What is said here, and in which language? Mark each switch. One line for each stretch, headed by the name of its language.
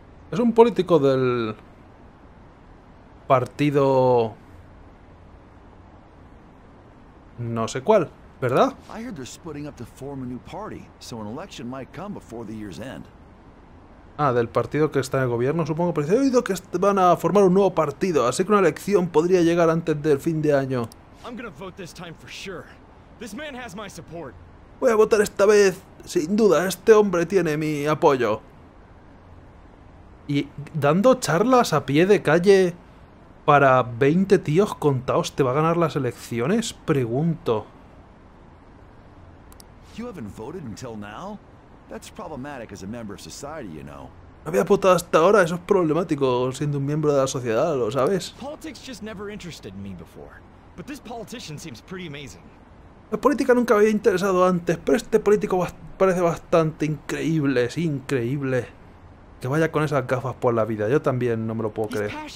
Spanish: Es un político del partido, no sé cuál, ¿verdad?
English: I heard they're splitting up to form a new party, so an election might come before the year's end.
Spanish: Ah, del partido que está en el gobierno, supongo, pero he oído que van a formar un nuevo partido, así que una elección podría llegar antes del fin de año.
English: I'm gonna vote this time for sure. This man has my support.
Spanish: Voy a votar esta vez, sin duda, este hombre tiene mi apoyo. Y dando charlas a pie de calle para 20 tíos contados, ¿te va a ganar las elecciones? Pregunto.
English: You haven't voted until now? That's problematic as a member of society, you know.
Spanish: No había votado hasta ahora, eso es problemático siendo un miembro de la sociedad, ¿lo sabes?
English: Politics just never interested me before, but this politician seems pretty amazing.
Spanish: La política nunca me había interesado antes, pero este político parece bastante increíble, es increíble. Que vaya con esas gafas por la vida, yo también no me lo puedo creer.